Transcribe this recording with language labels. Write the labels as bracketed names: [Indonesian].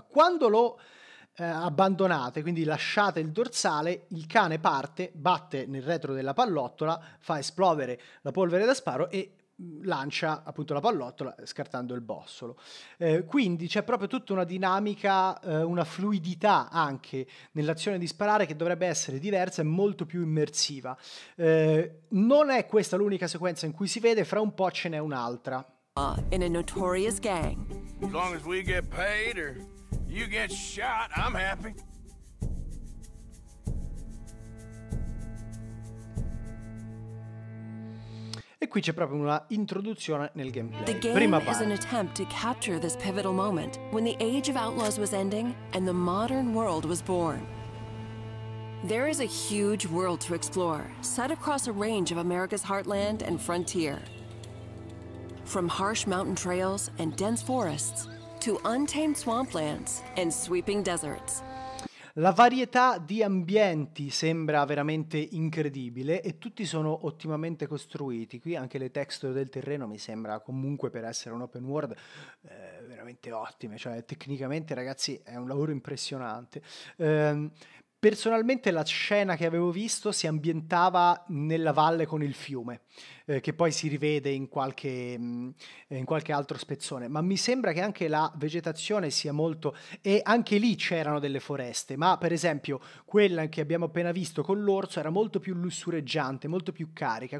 [Italian] Quando lo abbandonate, quindi lasciate il dorsale, il cane parte, batte nel retro della pallottola, fa esplodere la polvere da sparo e lancia appunto la pallottola scartando il bossolo. Quindi c'è proprio tutta una dinamica, una fluidità anche nell'azione di sparare che dovrebbe essere diversa e molto più immersiva. Non è questa l'unica sequenza in cui si vede, fra un po' ce n'è un'altra. [English] In a notorious gang. As long as we get paid or you get shot, I'm happy. [Italian] E qui c'è proprio una introduzione nel gameplay. [English] The game prima is an attempt to capture this pivotal moment when the age of outlaws was ending and the modern world was born. There is a huge world to explore, set across a range of America's heartland and frontier. From harsh mountain trails and dense forests to untamed swamplands and sweeping deserts. [Italian] La varietà di ambienti sembra veramente incredibile e tutti sono ottimamente costruiti. Qui anche le texture del terreno mi sembra comunque, per essere un open world, veramente ottime. Cioè, tecnicamente, ragazzi, è un lavoro impressionante. Personalmente la scena che avevo visto si ambientava nella valle con il fiume, che poi si rivede in qualche altro spezzone, ma mi sembra che anche la vegetazione sia molto, e anche lì c'erano delle foreste, ma per esempio quella che abbiamo appena visto con l'orso era molto più lussureggiante, molto più carica.